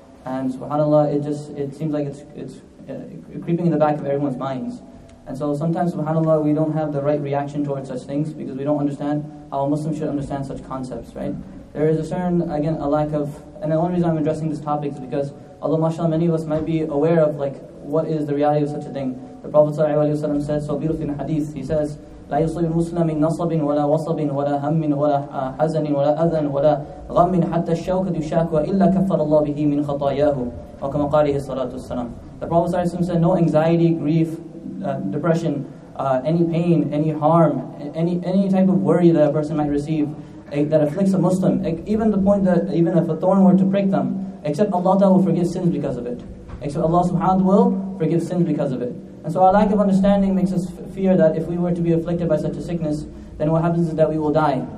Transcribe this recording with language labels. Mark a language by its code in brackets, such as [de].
[en] And subhanAllah, it seems like it's creeping in the back of everyone's minds. And so sometimes, subhanAllah, we don't have the right reaction towards such things because we don't understand how a Muslim should understand such concepts, right? There is a certain, again, a lack of, and the only reason I'm addressing this topic is because, although mashallah, many of us might be aware of, like, what is the reality of such a thing. The Prophet ﷺ said, so beautiful in hadith, he says, [ar] لَا يُصِبِ الْمُسْلَمِ نَصَبٍ وَلَا وَصَبٍ وَلَا هَمٍ وَلَا حَزَنٍ وَلَا أَذَنٍ وَلَا غَمٍ حَتَّى الشَّوْكَةُ يُشَاكُوَ إِلَّا كَفَّرَ اللَّهُ بِهِ مِنْ خَطَايَاهُ وَكَمَا قَالِهِ الصَّلَاةُ والسلام. [en] The Prophet ﷺ said, no anxiety, grief, depression, any pain, any harm, any type of worry that a person might receive, that afflicts a Muslim, even the point that even if a thorn were to prick them, except Allah Ta'ala will forgive sins because of it. Except Allah Subhanahu wa Ta'ala will forgive sins because of it. And so our lack of understanding makes us fear that if we were to be afflicted by such a sickness, then what happens is that we will die.